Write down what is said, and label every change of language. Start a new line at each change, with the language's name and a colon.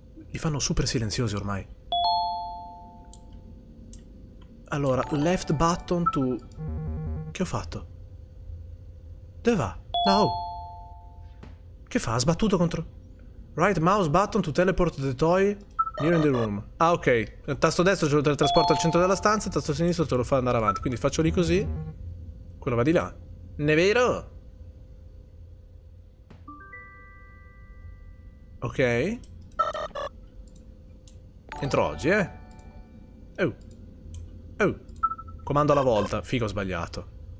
Italian: Li fanno super silenziosi ormai. Allora,
English: left button to...
Italian: Che ho fatto? Dove va? No! Che fa? Ha sbattuto contro...
English: Right mouse button to teleport the toy near in the room.
Italian: Ah, ok. Il tasto destro ce lo teletrasporta al centro della stanza, il tasto sinistro te lo fa andare avanti. Quindi faccio lì così. Quello va di là. Ne è vero? Ok. Entro oggi, eh? Oh. Oh. Comando alla volta. Figo, ho sbagliato.